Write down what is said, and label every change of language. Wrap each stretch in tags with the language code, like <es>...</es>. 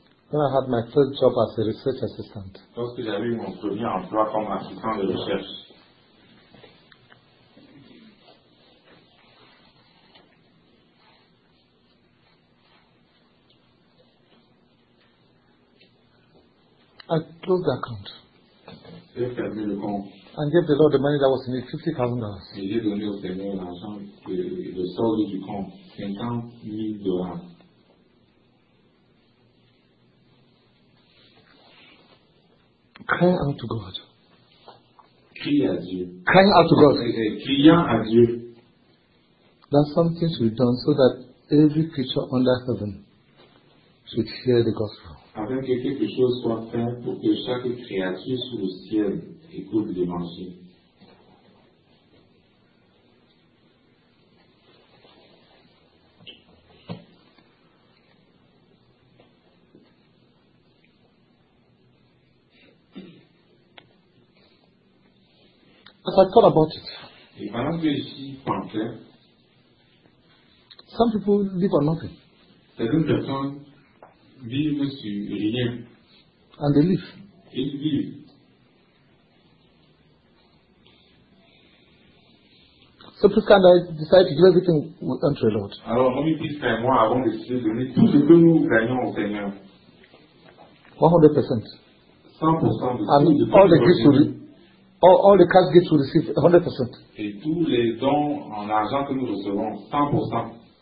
<en>When I had my first job as a research assistant.</en> <fr>Lorsque j'avais mon premier emploi comme assistant de recherche.</fr> <en>I closed the account.</en> <fr>J'ai fermé le compte.</fr> <en>And gave the Lord the money that was in it, $50,000.</en> <fr>Et j'ai donné au Seigneur l'argent de solde du compte, $50,000.</fr> <en>Crying out to God.</en> <fr>Crie à Dieu.</fr> <en>Crying out to God.</en> <fr>Criant à Dieu.</fr> <en>That something should be done so that every creature under heaven should hear the gospel.</en> <fr>Afin que quelque chose soit fait pour que chaque créature sous le ciel écoute l'évangile.</fr> <en>As I thought about it,</en> <fr>et pendant que j'y pensais,</fr> <en>some people live on nothing.</en> <fr>Certaines personnes vivent sur rien.</fr> <en>And they live.</en> <fr>Et ils vivent.</fr> <en>So Priska and I decided to give everything unto the Lord.</en> <fr>Alors, mon Priska et moi avons décidé de donner tout ce que nous gagnons au Seigneur.</fr> <en>100%.</en> <fr>100% de tout.</fr> <en>I mean, all the gifts will be. All the cash gifts will receive 100%.</en> <fr>Et tous les dons en argent que nous recevons, 100%.</fr>